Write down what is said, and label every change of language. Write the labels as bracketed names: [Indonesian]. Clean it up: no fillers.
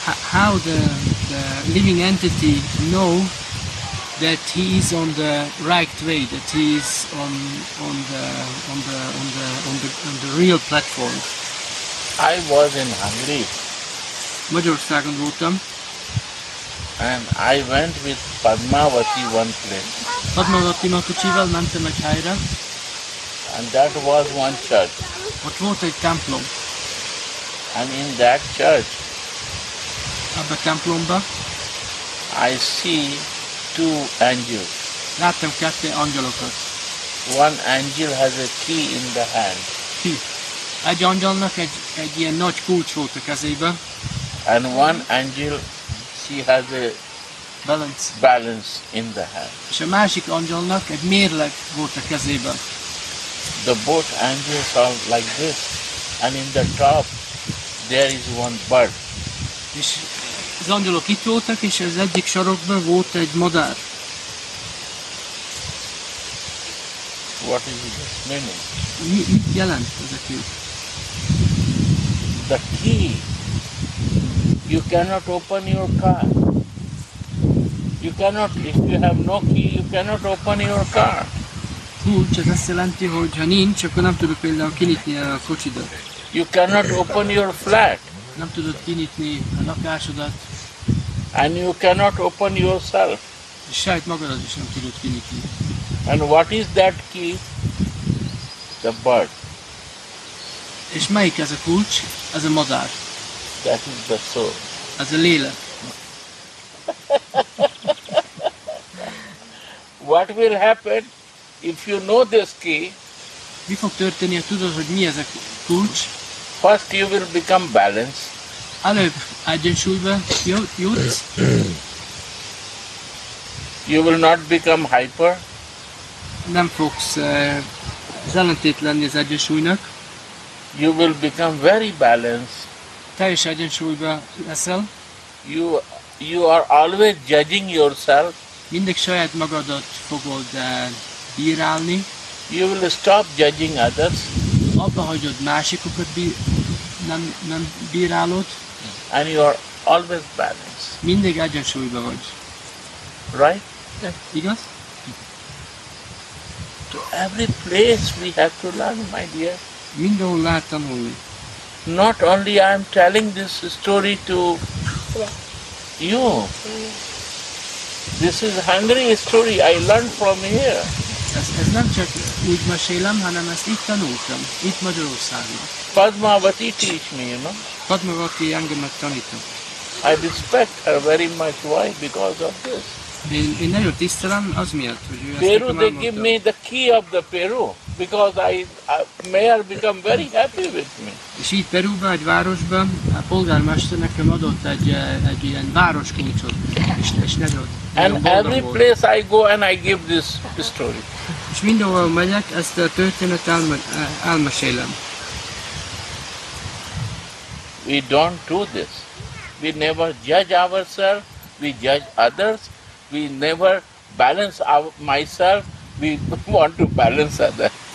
[English] How the living entity know that he is on the right way, that he is on the real platform? I was in Hungary. [Hungarian] Magyarországon voltam. [English] And I went with Padmavati one place. [Hungarian] Padmavati Matucsival mentem egy helyre. [English] And that was one church. [Hungarian] Ott volt egy templom. [English] And in that church, [Hungarian] abba a templomba, [English] I see two angels. [Hungarian] Láttam kettő angyalokat. [English] One angel has a key in the hand. [Hungarian] Egy angyalnak egy ilyen nagy kulcs volt a kezében. [English] And one angel, she has a balance in the hand. [Hungarian] És a másik angyalnak egy mérleg volt a kezében. [English] The both angels are like this, and in the top there is one bird. [Hungarian] És az angyalok itt voltak, és az egyik sarokban volt egy madár. [English] What is this meaning? [Hungarian] Mit jelent ez a kő? [English] The key. You cannot open your car. You cannot, if you have no key, you cannot open your car. [Hungarian] Kulcs, ez azt jelenti, hogy ha nincs, akkor nem tudok például kinyitni a kocsidat. [English] You cannot open your flat. [Hungarian] Nem tudod kinyitni a lakásodat. [English] And you cannot open yourself. [Hungarian] Saját magadat is nem tudod kinyitni. [English] And what is that key? the bird. [Hungarian] És melyik ez a kulcs? Ez a madár. [English] That is the soul. [Hungarian] Ez a lélek. [English] What will happen if you know this key? [Hungarian] Mi fog történni, ha tudod, hogy mi ez a kulcs? [English] First you will become balanced. [Hungarian] Előbb egyensúlyba jutsz. [English] You will not become hyper. [Hungarian] Nem fogsz zelentét lenni az egyensúlynak. [English] You will become very balanced. [Hungarian] Teljes egyensúlyba leszel. [English] You are always judging yourself. [Hungarian] Mindig saját magadat fogod bírálni. [English] You will stop judging others. [Hungarian] Abba hagyod másikokat nem bírálod. [English] And you are always balanced. [Hungarian] Mindig egyensúlyba vagy. [English] Right? [Hungarian] Igaz? [English] To every place we have to learn, my dear. [Hungarian] Mindenhol lehet tanulni. [English] Not only I am telling this story to you. This is Hungary story I learned from here. [Hungarian] Ez nem csak úgy mesélem, hanem ezt itt tanultam, itt Magyarországon. [English] Padmavati teach me, you know? [Hungarian] Padmavati engemet tanítom. [English] I respect her very much. Why? Because of this. [Hungarian] Én nagyon tisztelem az miatt, hogy ő ezt [English] Peru, they give me the key of the Peru, because I mayor become very happy with me. [Hungarian] És itt Perúban, egy városban, a polgármester nekem adott egy ilyen városkulcsot, és nagyon [English] And every place I go and I give this story. [Hungarian] És mindenhol megyek, ezt a történet elmesélem. [English] We don't do this. We never judge ourselves, we judge others. We never balance myself, we want to balance others.